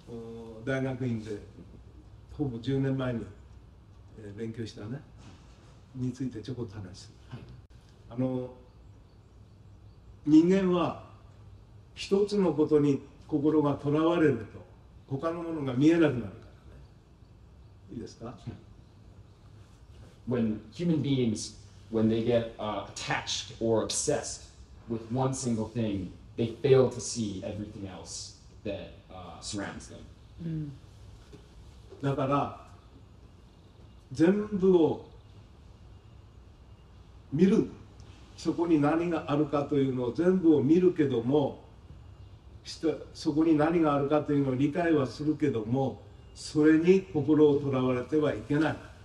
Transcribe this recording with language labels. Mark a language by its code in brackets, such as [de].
[ja] ちょっとね、時間なくなっちゃうんでね、覚醒無心、私が筑波大の大学院でほぼ10年前に 勉強したね。についてちょこっと話す。人間は一つのことに心がとらわれると他のものが見えなくなるからね。いいですか? [en] When human beings, when they get attached or obsessed with one single thing, they fail to see everything else that surrounds them. [ja] だから 全部を見る。そこに何があるかというのを全部を見るけども、そこに何があるかというのを理解はするけども、それに心をとらわれてはいけない。